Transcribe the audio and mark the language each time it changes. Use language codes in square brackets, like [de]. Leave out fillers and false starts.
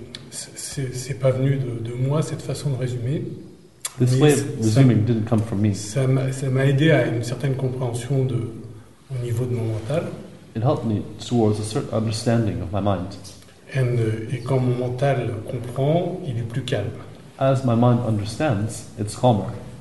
[fr] C'est pas venu de moi cette façon de résumer. [en] This way of resuming didn't come from me. [fr] Ça m'a aidé à une certaine compréhension au niveau de mon mental. [en] It helped me towards a certain understanding of my mind. [fr] Et quand mon mental comprend, il est plus calme. [en] As my mind understands, it's calmer.